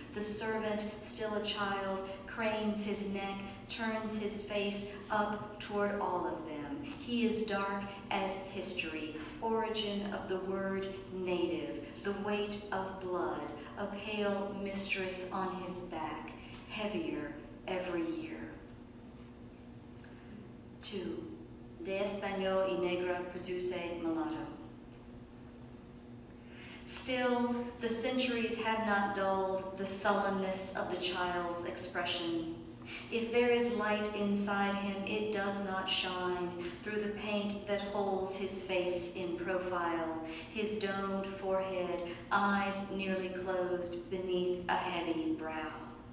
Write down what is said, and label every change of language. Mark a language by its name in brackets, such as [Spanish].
[English] The servant, still a child, cranes his neck, turns his face up toward all of them. He is dark as history, origin of the word native, the weight of blood, a pale mistress on his back, heavier every year. 2. [Spanish] De español y negro produce mulatto. [English] Still, the centuries have not dulled the sullenness of the child's expression. If there is light inside him, it does not shine through the paint that holds his face in profile, his domed forehead, eyes nearly closed beneath a heavy brow.